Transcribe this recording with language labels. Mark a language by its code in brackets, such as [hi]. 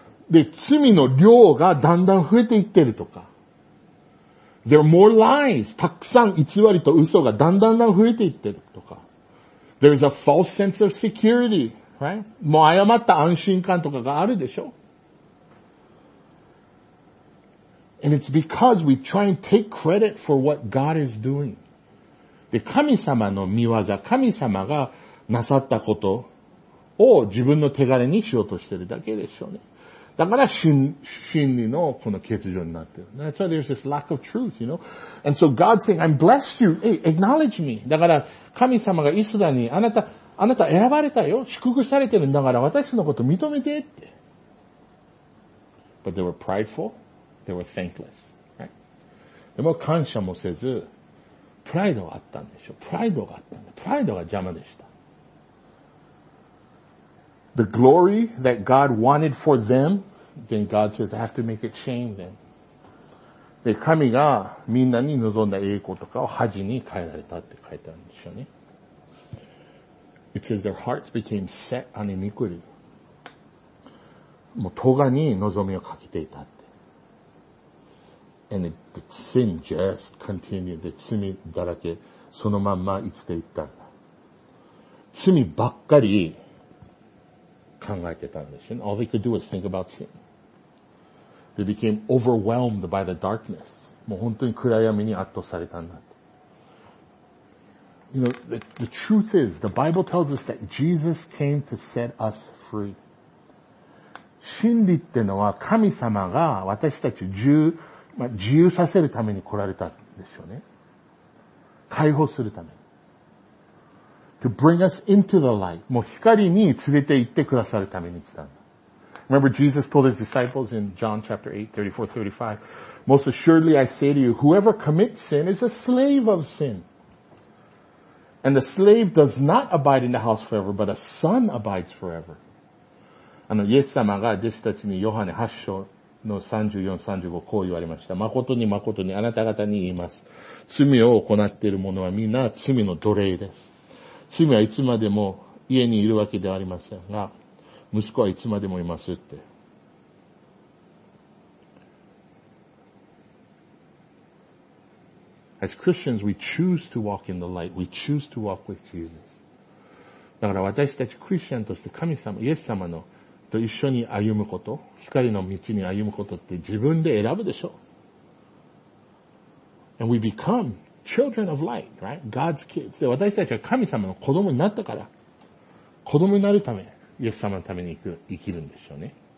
[ja] で、罪の量がだんだん増えていってるとか。 [en] There are more lies. [ja] たくさん偽りと嘘がだんだん増えていってるとか。 [en] There's a false sense of security, right? [ja] もう誤った安心感とかがあるでしょ。 [en] And it's because we try and take credit for what God is doing. [ja] で、神様の見業、神様がなさったことを自分の手柄にしようとしてるだけでしょうね。だから真理のこの欠如になってる。 [en] That's why there's this lack of truth, you know? And so God's saying, I'm blessed you. Hey, acknowledge me. [ja] だから神様がイスラに、あなた選ばれたよ。祝福されてるんだから私のこと認めてって。 [en] But they were prideful. They were thankless, right? [ja] でも感謝もせず、プライドがあったんでしょ。プライドが邪魔でした。 [en] The glory that God wanted for them, then God says, I have to make a change then. [ja] で、神がみんなに望んだ栄光とかを恥に変えられたって書いてあるんでしょうね。 [en] It says their hearts became set on iniquity. [ja] もう咎に望みをかけていた。 [en] And the sin just continued. [ja] The 罪だらけそのまんま生きていったんだ。罪ばっかり考えてたんですよ。 [en] All they could do was think about sin. They became overwhelmed by the darkness. [ja] もう本当に暗闇に圧倒されたんだ。 [en] You know, the truth is, the Bible tells us that Jesus came to set us free. [ja] 真理ってのは神様が私たち自由させるために来られたんですよね。解放するために。 [en] To bring us into the light. [ja] もう光に連れて行ってくださるために来たんだ。 [en] Remember Jesus told his disciples in John chapter 8, 34, 35, Most assuredly I say to you, whoever commits sin is a slave of sin. And the slave does not abide in the house forever, but a son abides forever. [ja] あの、イエス様が弟子たちにヨハネ8章、の34、35、こう言われました。誠に誠にあなた方に言います。罪を行っている者はみんな罪の奴隷です。罪はいつまでも家にいるわけではありませんが、息子はいつまでもいますって。 [en] As Christians, we choose to walk in the light. We choose to walk with Jesus. [ja] だから私たちクリスチャンとして神様、イエス様のと一緒に歩むこと、光の道に歩むことって自分で選ぶでしょ。 [en] And we become children of light, right? God's kids. [ja] 私たちは神様の子供になったから、子供になるため、イエス様のために生きるんでしょうね。